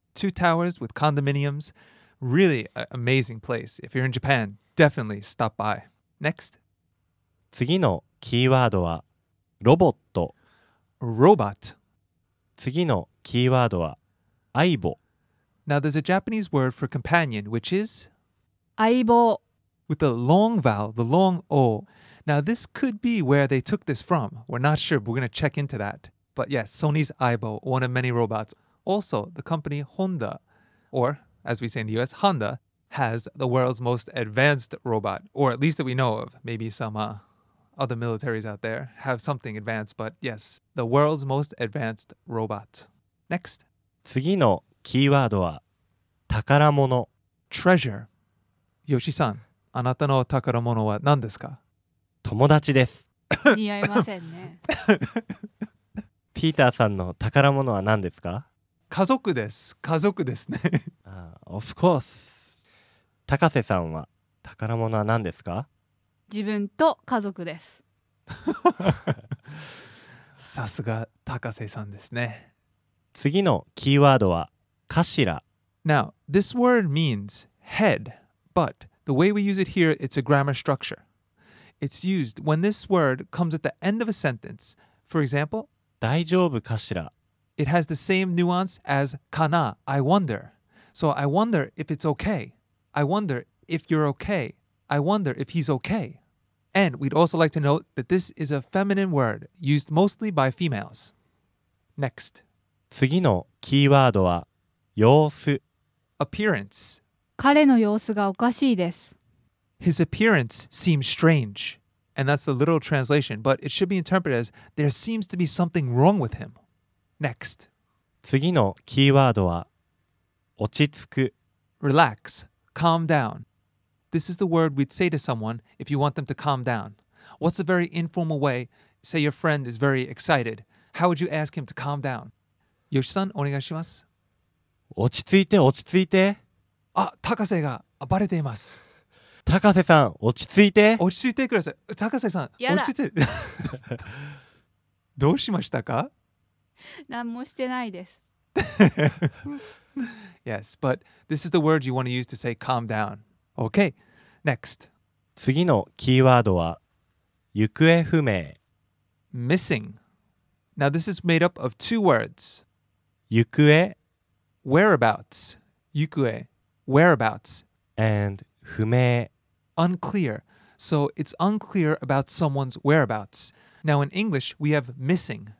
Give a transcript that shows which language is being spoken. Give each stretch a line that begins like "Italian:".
English: Two towers with condominiums. Really amazing place. If you're in Japan, definitely stop by. Next.
Japanese: 次のキーワードはロボット。
English: Robot.
Japanese: 次のキーワードは相棒。
English: Now there's a Japanese word for companion, which is
Japanese: 相棒
English: with a long vowel, the long O. Now this could be where they took this from. We're not sure, but we're going to check into that. But yes, Sony's 相棒, one of many robots. Also, the company Honda, or as we say in the US, Honda, has the world's most advanced robot, or at least that we know of. Maybe some other militaries out there have something advanced, but yes, the world's most advanced robot. Next.
Japanese: 次のキーワードは宝物。
English: Treasure。
Japanese: ヨシさん、あなたの宝物は何ですか。友達です。似合いませんね。ピーターさんの宝物は何ですか。家族です。家族ですね。
English: Of course。
Japanese: 高瀬さんは宝物は何ですか。自分と家族です。さすが高瀬さんですね。次のキーワードはカシラ。
English: Now, this word means head, but the way we use it here, it's a grammar structure. It's used when this word comes at the end of a sentence. For example,
Japanese: 大丈夫かしら?
English: It has the same nuance as かな, I wonder. So I wonder if it's okay. I wonder if you're okay. I wonder if he's okay. And we'd also like to note that this is a feminine word used mostly by females. Next.
Japanese: 次のキーワードは様子。
English: Appearance.
Japanese: 彼の様子がおかしいです。
English: His appearance seems strange. And that's the literal translation, but it should be interpreted as there seems to be something wrong with him. Next.
Japanese: 次のキーワードは落ち着く。
English: Relax. Calm down. This is the word we'd say to someone if you want them to calm down. What's a very informal way? Say your friend is very excited. How would you ask him to calm down?
Japanese: ヨシさん、お願いします。落ち着いて、落ち着いて。あ、高瀬が暴れています。高瀬さん落ち着いて落ち着いてください高瀬さん落ち着いてどうしましたか何もしてないです
English: Yes, but this is the word you want to use to say calm down. Okay, next.
Japanese: 次のキーワードは行方不明
English: Missing. Now this is made up of two words.
Japanese: 行方
English: Whereabouts. 行方 Whereabouts.
Japanese: And 不明
English: Unclear. So it's unclear about someone's whereabouts. Now in English, we have missing.